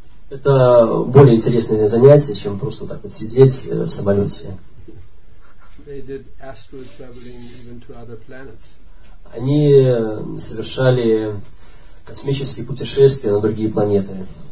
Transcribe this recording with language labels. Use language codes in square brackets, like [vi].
[ru] Это более интересное занятие, чем просто так вот сидеть в самолете. [en] They did astral traveling even to other planets. [ru] Они совершали космические путешествия на другие планеты.